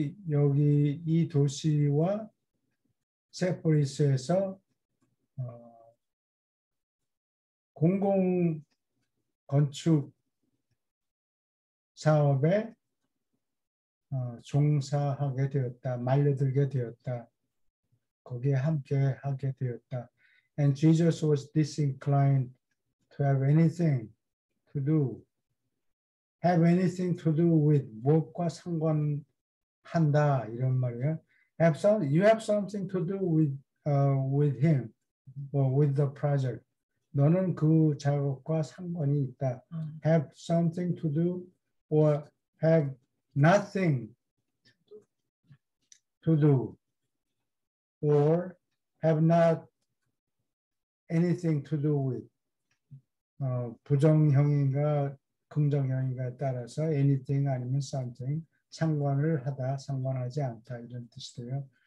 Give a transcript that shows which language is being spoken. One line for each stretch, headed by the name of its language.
Korean: 여기 이 도시와 세포리스에서 공공 건축 사업에 종사하게 되었다. 말려들게 되었다. 거기에 함께 하게 되었다.
English: And Jesus was disinclined to have anything to do. Have anything to do with
Korean: 무엇과 상관한다 이런 말이야.
English: You have something to do with him or with the project.
Korean: 너는 그 작업과 상관이 있다.
English: Have something to do or have nothing to do. Or have not anything to do with
Korean: 부정형인가 긍정형인가 따라서 anything 아니면 something 상관을 하다 상관하지 않다 이런 뜻이에요.